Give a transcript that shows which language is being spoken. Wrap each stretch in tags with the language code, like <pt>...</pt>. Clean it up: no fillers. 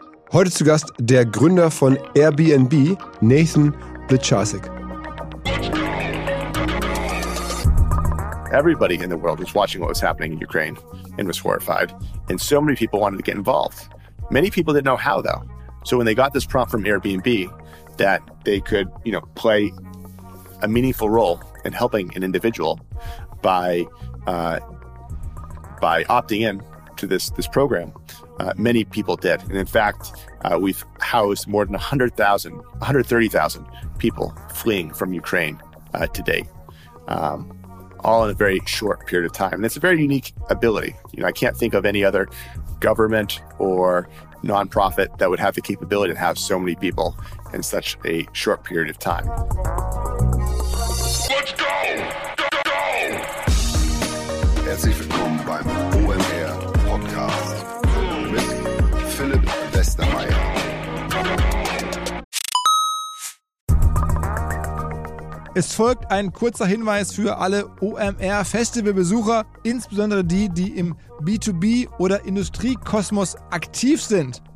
<de>Heute zu Gast der Gründer von Airbnb, Nathan Blicharczyk.</de> <en>Everybody in the world was watching what was happening in Ukraine and was horrified. And so many people wanted to get involved. Many people didn't know how, though. So when they got this prompt from Airbnb that they could, you know, play a meaningful role in helping an individual by opting in to this program, many people did. And in fact, we've housed more than 130,000 people fleeing from Ukraine to date, all in a very short period of time. And it's a very unique ability. You know, I can't think of any other government or nonprofit that would have the capability to have so many people in such a short period of time. Let's go! Go!</en> <de>Herzlich willkommen beim OMR Podcast mit Philipp Westermeier. Es folgt ein kurzer Hinweis für alle OMR-Festivalbesucher, insbesondere die, die im B2B- oder Industriekosmos aktiv sind.</de>